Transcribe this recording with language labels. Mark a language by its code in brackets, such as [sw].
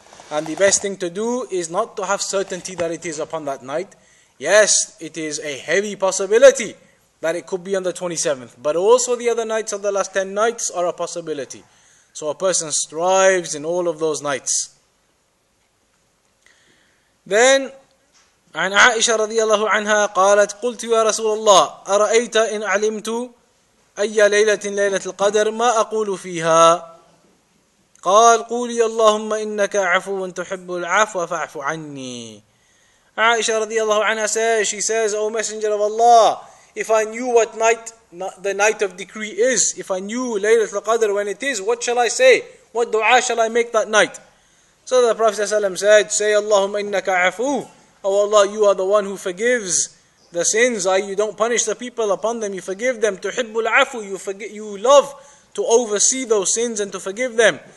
[en] And the best thing to do is not to have certainty that it is upon that night. Yes, it is a heavy possibility that it could be on the 27th. But also the other nights of the last 10 nights are a possibility. So a person strives in all of those nights. Then, [ar] عن عائشة رضي الله عنها قالت قلت يا رسول الله أرأيت إن علمت أي ليلة ليلة القدر ما أقول فيها قال قولي اللهم إنك عفو تحب العفو فاعف عني. [en] Aisha radiallahu anha says, she says, O Messenger of Allah, if I knew what night, the night of decree is, if I knew Laylatul Qadr when it is, what shall I say? What dua shall I make that night? So the Prophet said, say [ar] Allahumma innaka afu, [en] O Allah, you are the one who forgives the sins, you don't punish the people upon them, you forgive them, tuhibbul afu, you love to oversee those sins and to forgive them.